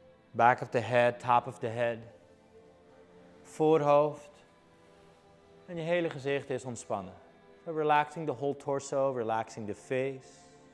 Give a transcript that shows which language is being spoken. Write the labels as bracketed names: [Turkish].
[English] Back of the head, top of the head. [Dutch] Voorhoofd. En je hele gezicht is ontspannen. [English] We're relaxing the whole torso, relaxing the face.